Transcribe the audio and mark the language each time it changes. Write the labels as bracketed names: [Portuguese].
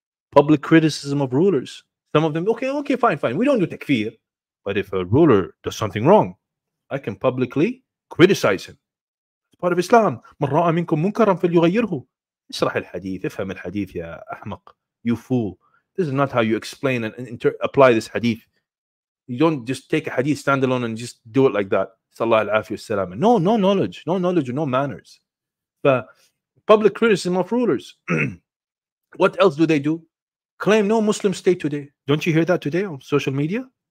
[English] Public criticism of rulers. Some of them, okay, fine. We don't do takfir. But if a ruler does something wrong, I can publicly criticize him. It's part of Islam. [Arabic] مَنْ رَأَى مِنْكُمْ مُنْكَرًا فَلْيُغَيِّرْهُ. اشرح الحديث. افهم الحديث يا أحمق. [English] You fool. This is not how you explain and apply this hadith. You don't just take a hadith standalone and just do it like that. Sallallahu alayhi wa sallam. No, no knowledge. No knowledge and no manners. But public criticism of rulers. What else do they do? Claim no Muslim state today. Don't you hear that today on social media?